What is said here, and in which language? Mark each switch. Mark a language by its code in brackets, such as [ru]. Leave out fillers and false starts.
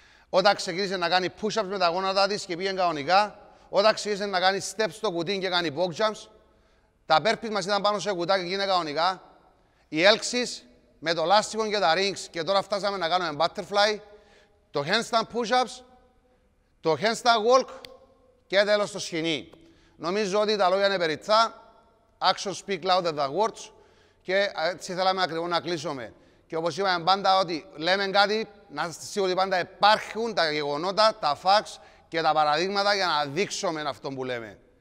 [el] όταν ξεκίνησε να κάνει push-ups με τα γόνατα της και πήγαινε κανονικά, όταν ξεκίνησε να κάνει steps στο κουτί και κάνει box jumps, τα burpees μας ήταν πάνω σε κουτάκι και γίνεται κανονικά, οι έλξεις με το λάστιχο και τα rings και τώρα φτάσαμε να κάνουμε butterfly, το handstand push-ups, το handstand walk και τέλος το σχοινί. Νομίζω ότι τα λόγια είναι περιττά. [en] Action speak louder than words. [el] Και έτσι θέλαμε ακριβώς να κλείσουμε. Και όπως είπαμε πάντα ότι λέμε κάτι, να είστε σίγουροι ότι πάντα υπάρχουν τα γεγονότα, τα facts και τα παραδείγματα για να δείξουμε αυτό που λέμε.